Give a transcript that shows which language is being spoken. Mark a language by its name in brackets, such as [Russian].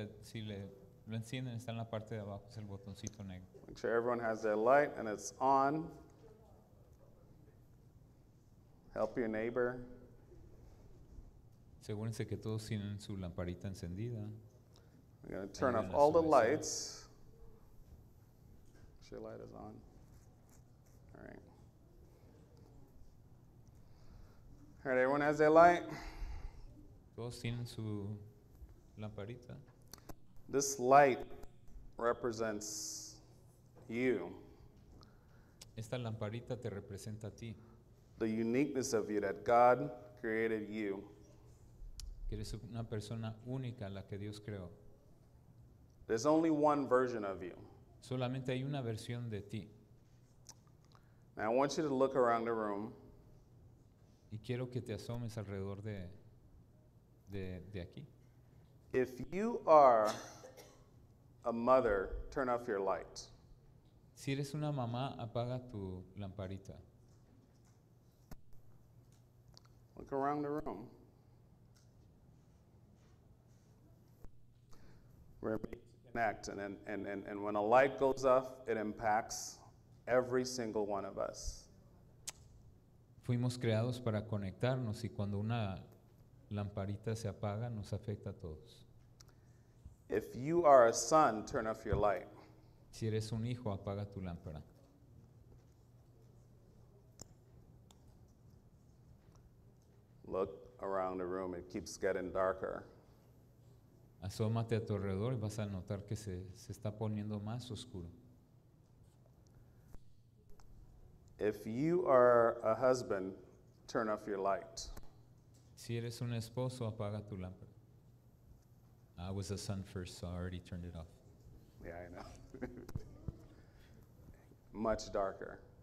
[Spanish] Si lo encienden, está en la parte de abajo, es el botoncito negro. [English] Make sure everyone has their light and it's on. Help your neighbor. [Spanish] Asegúrense que todos tienen su lamparita encendida. [English] I'm going to turn off all the lights. Make sure your light is on. All right. All right, everyone has their light. [Spanish] Todos tienen su lamparita. [English] This light represents you. [Spanish] Esta lamparita te representa a ti. [English] The uniqueness of you that God created you. [Spanish] Que eres una persona única la que Dios creó. [English] There's only one version of you. [Spanish] Solamente hay una versión de ti. [English] Now I want you to look around the room. [Spanish] Y quiero que te asomes alrededor de aquí. [English] If you are a mother, turn off your light. [Spanish] Si eres una mamá, apaga tu lamparita. [English] Look around the room. Connect and when a light goes off, it impacts every single one of us. [Spanish] Fuimos creados para conectarnos y cuando una lamparita se apaga, nos afecta a todos. [English] If you are a son, turn off your light. [Spanish] Si eres un hijo, apaga tu lámpara. [English] Look around the room, it keeps getting darker. [Spanish] Asómate a tu alrededor y vas a notar que se está poniendo más oscuro. [English] If you are a husband, turn off your light. [Spanish] Si eres un esposo, apaga tu lámpara. [English] I was a son first, so I already turned it off. Yeah, I know. Much darker.